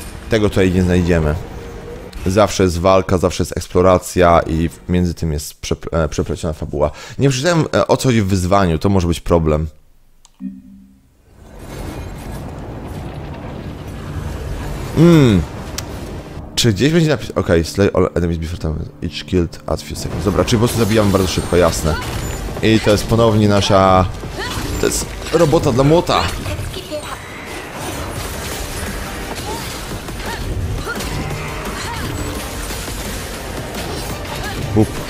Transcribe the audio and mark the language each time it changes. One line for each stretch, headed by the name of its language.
Polish: Tego tutaj nie znajdziemy. Zawsze jest walka, zawsze jest eksploracja i między tym jest przepleciona fabuła. Nie przeczytałem, o co chodzi w wyzwaniu, to może być problem. Czy gdzieś będzie napisane...
English: Okej, slay all enemies before time, each killed at few seconds.
Polish: Dobra, czyli po prostu zabijamy bardzo szybko, jasne. I to jest ponownie nasza... To jest robota dla młota. Hup.